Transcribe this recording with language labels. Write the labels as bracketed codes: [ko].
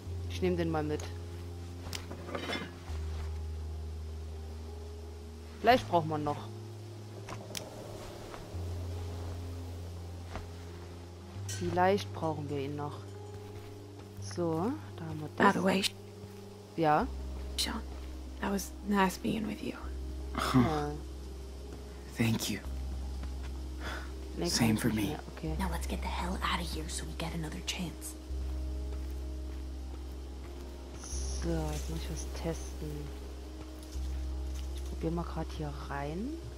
[de] Ich nehme den mal mit. Vielleicht braucht man noch. Vielleicht brauchen wir ihn noch. So, da haben wir das. [en] By the way, [de] ja? [en] Sean, that was nice being with you. [de] Ja. [en] Thank you. Same for me. Okay. Now let's get the hell out of here so we get another chance. [de] So, jetzt muss ich was testen. Ich probiere mal gerade hier rein.